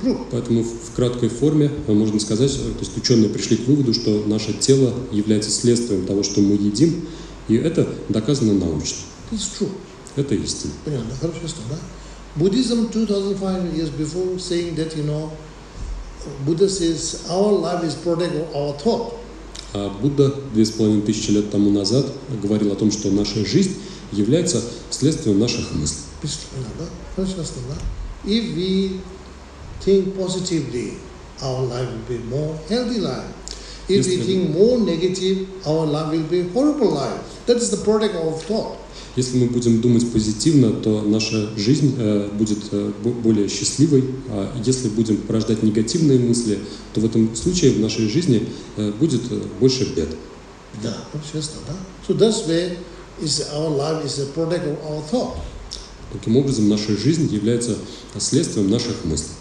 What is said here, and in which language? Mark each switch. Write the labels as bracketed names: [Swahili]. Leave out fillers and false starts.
[Russian] Поэтому в краткой форме можно сказать, то есть ученые пришли к выводу, что наше тело является следствием того, что мы едим, и это доказано научно. [English] It's true. [Russian] Это истина. Понятно, хорошо, ясно, да? [English] Buddhism 2500 years before saying that, you know, Buddha says our life is product of our thought. [Russian] А Будда 2500 лет тому назад говорил о том, что наша жизнь является следствием наших мыслей. Понятно, да? Хорошо, ясно, да? [English] If we think positively, our life will be more healthy life. If we think more negative, our life will be horrible life. That is the product of thought. [Russian] Если мы будем думать позитивно, то наша жизнь будет более счастливой. А если будем порождать негативные мысли, то в этом случае в нашей жизни будет больше бед. Да, честно, да. [English] So that's where is our life is a product of our thought. [Russian] Таким образом, наша жизнь является следствием наших мыслей.